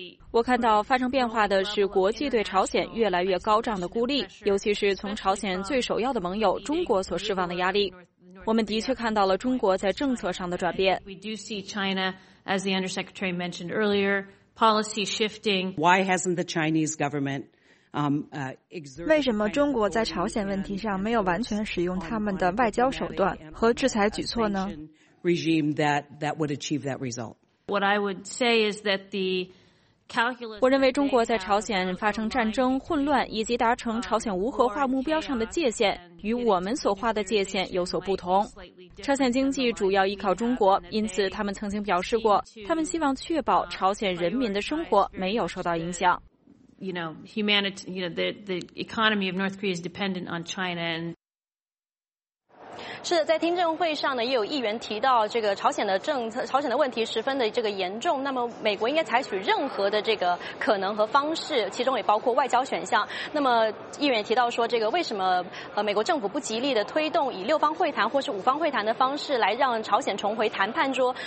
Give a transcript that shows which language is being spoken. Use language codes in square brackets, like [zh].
[zh] 我看到发生变化的是国际对朝鲜越来越高涨的孤立，尤其是从朝鲜最首要的盟友中国所释放的压力。我们的确看到了中国在政策上的转变。 [en] We do see China, as the Undersecretary mentioned earlier, policy shifting. Why hasn't the Chinese government, exerted? [zh] 为什么中国在朝鲜问题上没有完全使用他们的外交手段和制裁举措呢？ [en] Regime that would achieve that result. What I would say is that the calculus. [zh] 我认为中国在朝鲜发生战争、混乱以及达成朝鲜无核化目标上的界限。与我们所画的界限有所不同。朝鲜经济主要依靠中国，因此他们曾经表示过，他们希望确保朝鲜人民的生活没有受到影响。 [en] You know, humanity, you know, the economy of North Korea is dependent on China and... [zh] 是的，在听证会上呢，也有议员提到这个朝鲜的政策，朝鲜的问题十分的这个严重。那么，美国应该采取任何的这个可能和方式，其中也包括外交选项。那么，议员也提到说，这个为什么美国政府不极力的推动以六方会谈或是五方会谈的方式来让朝鲜重回谈判桌？